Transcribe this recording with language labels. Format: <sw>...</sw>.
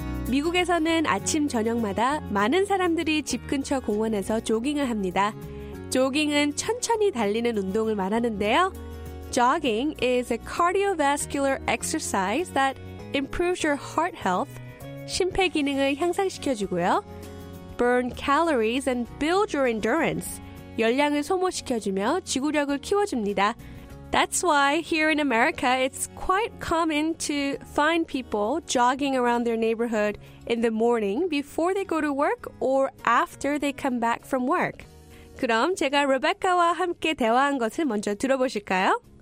<ko>미국에서는 아침 저녁마다 많은 사람들이 집 근처 공원에서 조깅을 합니다. 조깅은 천천히 달리는 운동을 말하는데요.</ko> <en>Jogging is a cardiovascular exercise that improves your heart health.</en> <ko>심폐 기능을 향상시켜 주고요.</ko> <en>Burn calories and build your endurance.</en> <ko>열량을 소모시켜주며 지구력을 키워줍니다.</ko> <en>That's why here in America, it's quite common to find people jogging around their neighborhood in the morning before they go to work or after they come back from work.</en> <ko>그럼 제가 레베카와 함께 대화한 것을 먼저 들어보실까요?</ko>